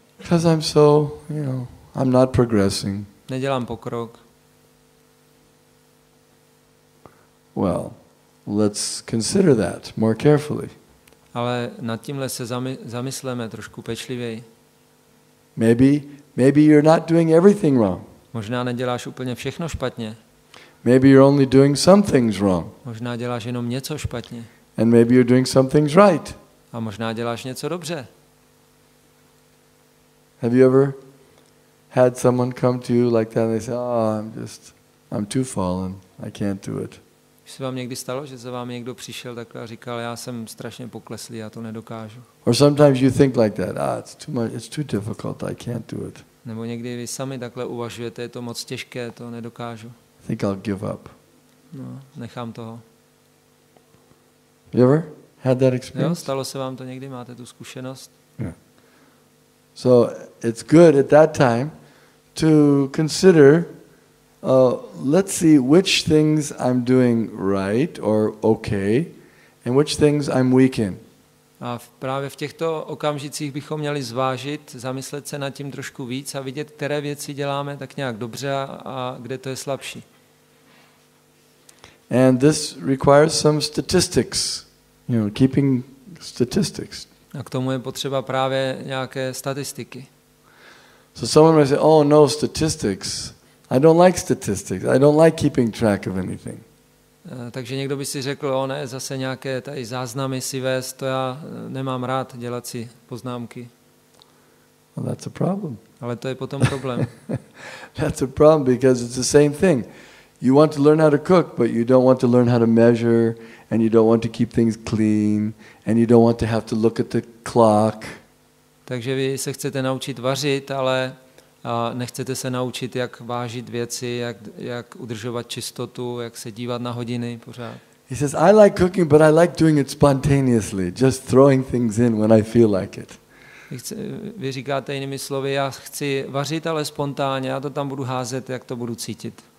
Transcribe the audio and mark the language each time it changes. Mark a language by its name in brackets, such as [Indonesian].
[English] Because I'm so, I'm not progressing. [Czech] Nedělám pokrok. [English] Well, let's consider that more carefully. [Czech] Ale nad tímhle se zamysleme trošku pečlivěji. [English] Maybe you're not doing everything wrong. [Czech] Možná neděláš úplně všechno špatně. [English] Maybe you're only doing some things wrong. [Czech] Možná děláš jenom něco špatně. [English] And maybe you're doing some things right. [Czech] A možná děláš něco dobře. [English] Have you ever had someone come to you like that and they say, I'm too fallen. I can't do it. [Czech] Už se vám někdy stalo, že za vám někdo přišel takhle a říkal, já jsem strašně pokleslý, já to nedokážu. [English] Or sometimes you think like that. It's too difficult. I can't do it. [Czech] Nebo někdy vy sami takhle uvažujete, je to moc těžké, to nedokážu. [English] I think I'll give up. [Czech] No, nechám toho. [English] You ever had that experience? [Czech] Jo, stalo se vám to někdy, máte tu zkušenost? [English] Yeah. So it's good at that time to consider, let's see which things I'm doing right or okay and which things I'm weak in. [Czech] A právě v těchto okamžicích bychom měli zvážit, zamyslet se nad tím trošku víc a vidět, které věci děláme tak nějak dobře a kde to je slabší. [English] And this requires some statistics, keeping statistics. [Czech] A k tomu je potřeba právě nějaké statistiky. [English] So someone might say, statistics. I don't like statistics. I don't like keeping track of anything. [Czech] Takže někdo by si řekl, ne, zase nějaké tady záznamy si vést, to já nemám rád dělat si poznámky. [English] Well, that's a problem. [Czech] Ale to je potom problém. [English] That's a problem because it's the same thing. You want to learn how to cook, but you don't want to learn how to measure, and you don't want to keep things clean, and you don't want to have to look at the clock. [Czech] Takže vy se chcete naučit vařit, ale nechcete se naučit, jak vážit věci, jak udržovat čistotu, jak se dívat na hodiny pořád. [English] He says, I like cooking, but I like doing it spontaneously, just throwing things in when I feel like it. [Czech] Vy říkáte jinými slovy, já chci vařit, ale spontánně, já to tam budu házet, jak to budu cítit.